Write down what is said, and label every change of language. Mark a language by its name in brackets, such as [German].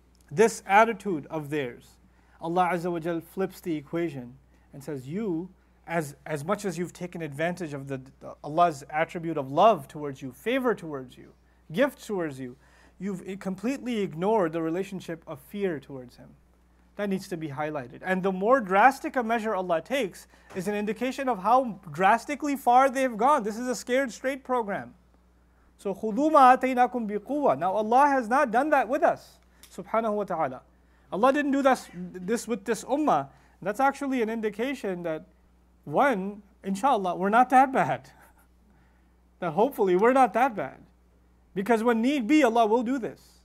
[English] This attitude of theirs, Allah Azza wa Jal flips the equation and says, you, as much as you've taken advantage of the Allah's attribute of love towards you, favor towards you, gift towards you, you've completely ignored the relationship of fear towards Him. That needs to be highlighted. And the more drastic a measure Allah takes is an indication of how drastically far they've gone. This is a scared straight program. [Arabic] So, خُذُوا مَا أَتَيْنَاكُمْ بِقُوَّةٍ. [English] Now, Allah has not done that with us. Subhanahu wa ta'ala. Allah didn't do this with this ummah. That's actually an indication that, one, inshallah, we're not that bad. That hopefully we're not that bad. Because when need be, Allah will do this.